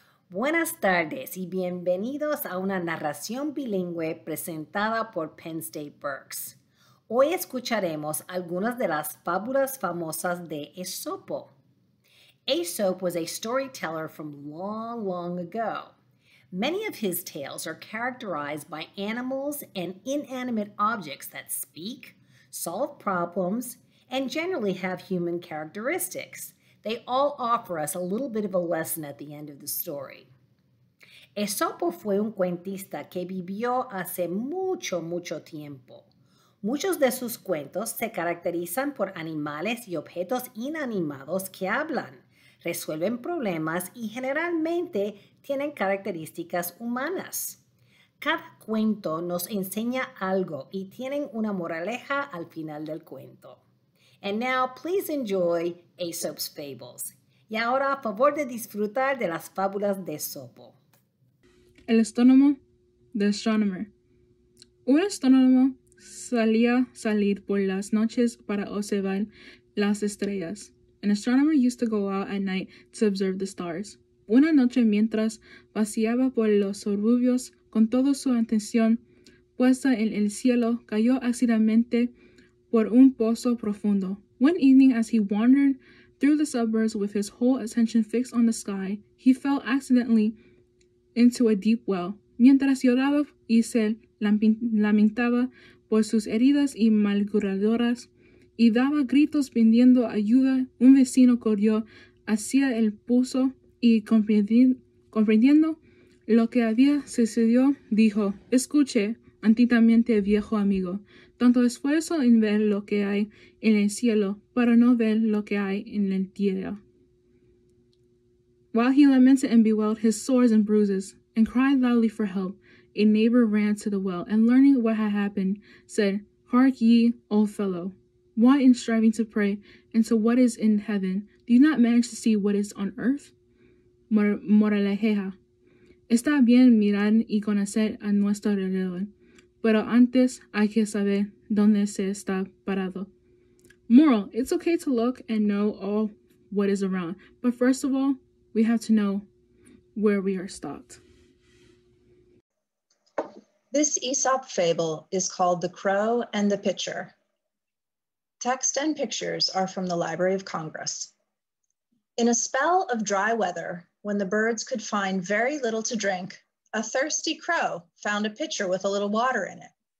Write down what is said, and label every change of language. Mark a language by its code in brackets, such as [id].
[es] Buenas tardes y bienvenidos a una narración bilingüe presentada por Penn State Berks. Hoy escucharemos algunas de las fábulas famosas de Aesop. [en] Aesop was a storyteller from long, long ago. Many of his tales are characterized by animals and inanimate objects that speak, solve problems, and generally have human characteristics. They all offer us a little bit of a lesson at the end of the story. [es] Aesop fue un cuentista que vivió hace mucho, mucho tiempo. Muchos de sus cuentos se caracterizan por animales y objetos inanimados que hablan, resuelven problemas y generalmente tienen características humanas. Cada cuento nos enseña algo y tienen una moraleja al final del cuento. [en] And now, please enjoy Aesop's Fables. [es] Y ahora, a favor de disfrutar de las fábulas de Aesop. El astrónomo, [en] the astronomer. [es] Un astrónomo solía salir por las noches para observar las estrellas. [en] An astronomer used to go out at night to observe the stars. [es] Una noche mientras paseaba por los suburbios con toda su atención puesta en el cielo, cayó accidentalmente por un pozo profundo. [en] One evening as he wandered through the suburbs with his whole attention fixed on the sky, he fell accidentally into a deep well. [es] Mientras lloraba y se lamentaba por sus heridas y malguradoras y daba gritos pidiendo ayuda, un vecino corrió hacia el pozo y comprendiendo lo que había sucedido, dijo, escuche atentamente, viejo amigo, tanto esfuerzo en ver lo que hay en el cielo para no ver lo que hay en la tierra. [en] While he lamented and bewailed his sores and bruises and cried loudly for help, a neighbor ran to the well and learning what had happened, said, hark ye, old fellow, why in striving to pray into what is in heaven, do you not manage to see what is on earth? [es] Moraleja. Está bien mirar y conocer a nuestro alrededor, pero antes hay que saber dónde se está parado. [en] Moral. It's okay to look and know all what is around, but first of all, we have to know where we are stopped. This Aesop fable is called The Crow and the Pitcher. Text and pictures are from the Library of Congress. In a spell of dry weather, when the birds could find very little to drink, a thirsty crow found a pitcher with a little water in it.